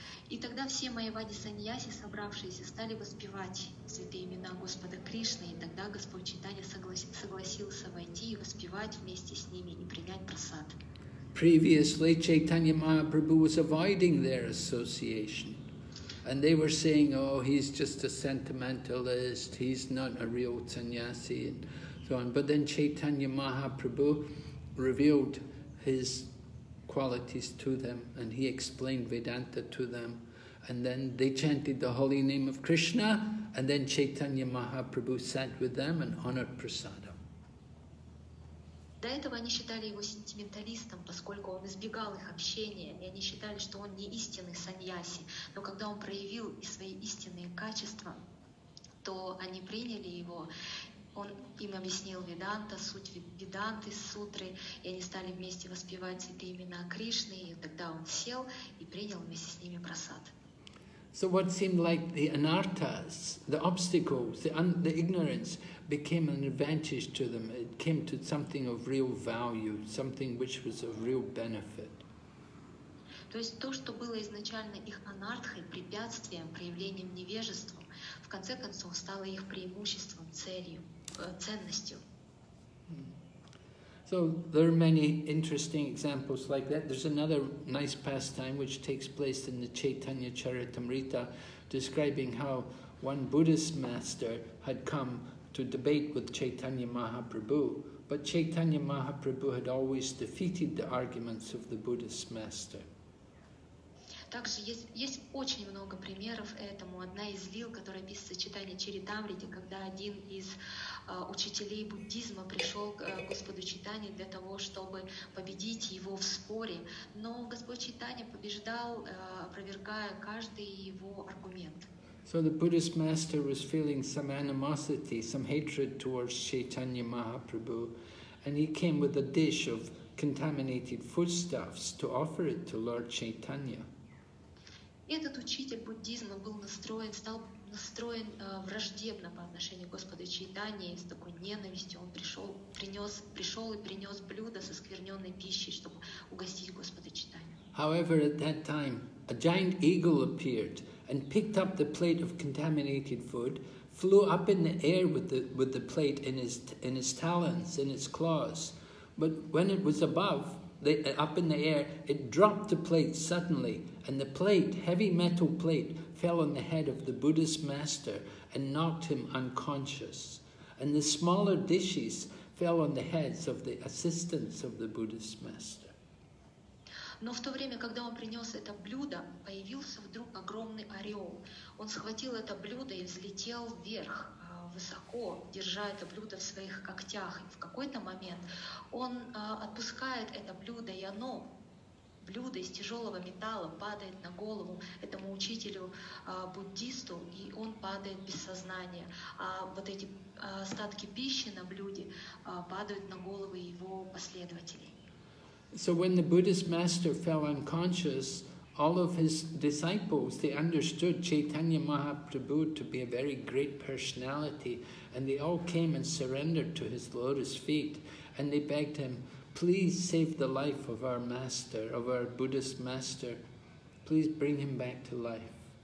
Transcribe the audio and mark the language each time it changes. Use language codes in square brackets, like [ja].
[ru] И тогда все Mayavadi sannyasis, собравшиеся, стали воспевать святые имена Господа Кришны, и тогда Господь Чайтанья согласился войти и воспевать вместе с ними и принять прасад. [en] Previously, Chaitanya Mahaprabhu was avoiding their association. And they were saying, oh, he's just a sentimentalist, he's not a real sannyasi, and so on. But then Chaitanya Mahaprabhu revealed his qualities to them, and he explained Vedanta to them. And then they chanted the holy name of Krishna, and then Chaitanya Mahaprabhu sat with them and honored prasadam. [ru] До этого они считали его сентименталистом, поскольку он избегал их общения, и они считали, что он не истинный саньяси. Но когда он проявил свои истинные качества, то они приняли его. Он им объяснил Веданта, суть Веданты, сутры, и они стали вместе воспевать святые имена Кришны, и тогда он сел и принял вместе с ними прасад. [en] So what seemed like the anarthas, the obstacles, the ignorance, became an advantage to them. It came to something of real value, something which was of real benefit. [ru] То есть то, что было изначально их анартхой, препятствием, проявлением невежества, в конце концов стало их преимуществом, целью, ценностью. [en] So there are many interesting examples like that. There's another nice pastime which takes place in the Chaitanya Charitamrita, describing how one Buddhist master had come to debate with Chaitanya Mahaprabhu, but Chaitanya Mahaprabhu had always defeated the arguments of the Buddhist master. [ru] Также есть очень много примеров этому. Одна из лил, которая описывается в Чайтанья Чаритамрите, когда один из учителей буддизма пришел к Господу Чайтанье для того, чтобы победить его в споре, но Господь Чайтанья побеждал, опровергая каждый его аргумент. [en] So the Buddhist master was feeling some animosity, some hatred towards Chaitanya Mahaprabhu, and he came with a dish of contaminated foodstuffs to offer it to Lord Chaitanya. [ru] Этот учитель буддизма стал настроен враждебно по отношению к Господу Чайтанье, с такой ненавистью он пришел и принес блюдо со скверненной пищей, чтобы угостить Господа Чайтанью. [en] However, at that time, a giant eagle appeared and picked up the plate of contaminated food, flew up in the air with the plate in his talons, in its claws. But when it was up in the air, it dropped the plate suddenly, and the plate, heavy metal plate, fell on the head of the Buddhist master and knocked him unconscious. And the smaller dishes fell on the heads of the assistants of the Buddhist master. [ru] Но в то время, когда он принес это блюдо, появился вдруг огромный орел. Он схватил это блюдо и взлетел вверх, высоко, держа это блюдо в своих когтях. И в какой-то момент он отпускает это блюдо, и оно, блюдо из тяжелого металла, падает на голову этому учителю-буддисту, и он падает без сознания. А вот эти остатки пищи на блюде падают на головы его последователей. [en] So when the Buddhist master fell unconscious, all of his disciples, they understood Chaitanya Mahaprabhu to be a very great personality, and they all came and surrendered to his lotus feet, and they begged him, please save the life of our master, of our Buddhist master, please bring him back to life.